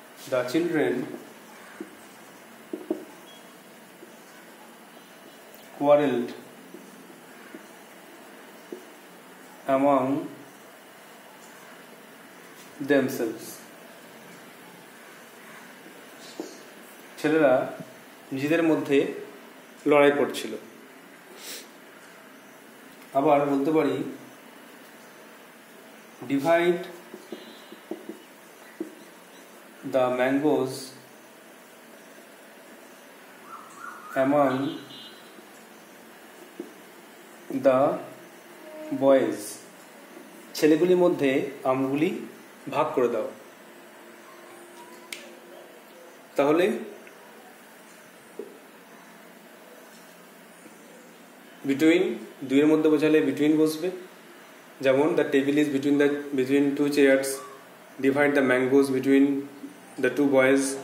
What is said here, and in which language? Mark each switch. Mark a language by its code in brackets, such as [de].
[en] the children quarreled among themselves, [bn] ছেলেরা নিজেদের মধ্যে লড়াই করছিল। আবার বলতে পারি [en] divide the mangoes among the boys [bn] ছেলেগুলির মধ্যে আমগুলি ভাগ করে দাও তাহলে বিটুইন দুইয়ের মধ্যে বোঝালে বিটুইন বসবে যেমন [en] the table is between the between two chairs divide the mangoes between the two boys